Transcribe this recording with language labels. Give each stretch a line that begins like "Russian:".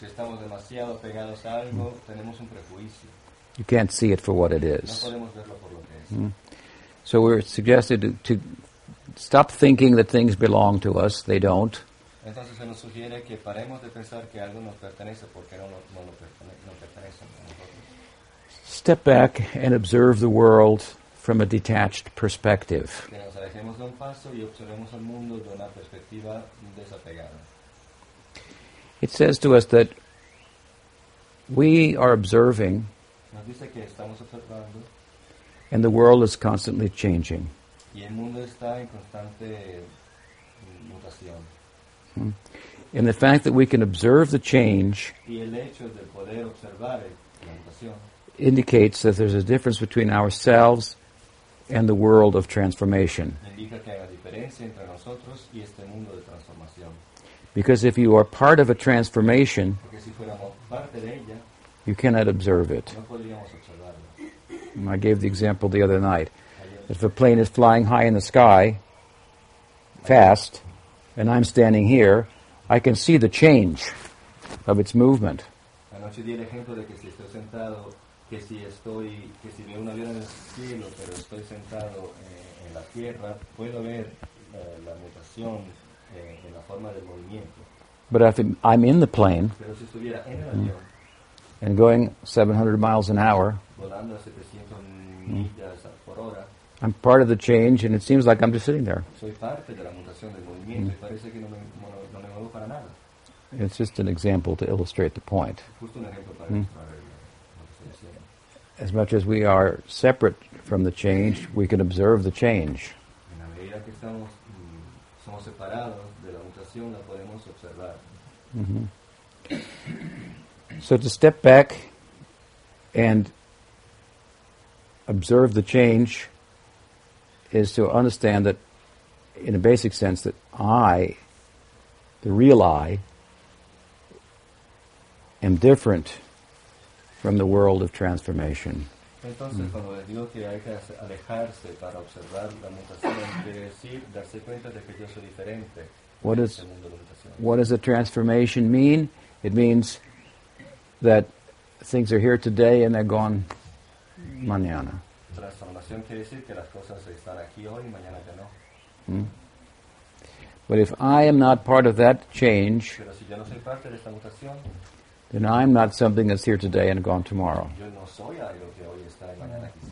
Spanish: Si estamos demasiado pegados a algo, tenemos un prejuicio.
English: You can't see it for what it is.
Spanish: No podemos verlo por lo que es.
English: So we're suggested to stop thinking that things belong to us. They don't.
Spanish: Entonces se nos sugiere que paremos de pensar que algo nos pertenece porque no pertenece a nosotros.
English: Step back and observe the world from a detached perspective.
Spanish: Que nos alejemos de un paso y observemos el mundo de una perspectiva desapegada.
English: It says to us that we are observing,
Spanish: nos dice que estamos observando,
English: and the world is constantly changing.
Spanish: Y el mundo está en constante mutación.
English: And the fact that we can observe the change,
Spanish: y el hecho de poder observar la mutación,
English: indicates that there's a difference between ourselves and the world of transformation.
Spanish: Indica que hay una diferencia entre nosotros y este mundo de transformación.
English: Because if you are part of a transformation,
Spanish: porque si fuéramos parte de ella,
English: you cannot observe it.
Spanish: No podríamos observarlo.
English: I gave the example the other night. If a plane is flying high in the sky, fast, and I'm standing here, I can see the change of its movement.
Spanish: Anoche di el ejemplo de que si estoy sentado, que si veo un avión en el cielo, pero estoy sentado en la tierra, puedo ver la mutación en la forma del movimiento.
English: But if I'm in the plane,
Spanish: pero si estuviera en el avión,
English: and going 700 miles an hour,
Spanish: volando a 700 millas por hora,
English: I'm part of the change, and it seems like I'm just sitting there.
Spanish: Soy parte de la mutación del movimiento, y parece que no me muevo para nada.
English: It's just an example to illustrate the point.
Spanish: Justo un ejemplo para ilustrar lo que estoy diciendo.
English: As much as we are separate from the change, we can observe the change.
Spanish: En la medida que estamos, somos separados de la mutación, la podemos observar.
English: So to step back and observe the change is to understand that, in a basic sense, that I, the real I, am different from the world of transformation.
Spanish: Entonces, cuando les digo que hay que alejarse para observar la mutación, quiere decir darse cuenta de que yo soy diferente.
English: What does a transformation mean? It means that things are here today and they're gone
Spanish: mañana. Transformación quiere decir que las cosas están aquí hoy y mañana ya no.
English: But if I am not part of that change,
Spanish: pero si yo no soy parte de esta mutación,
English: then I'm not something that's here today and gone tomorrow.
Spanish: Yo no soy algo que hoy está y mañana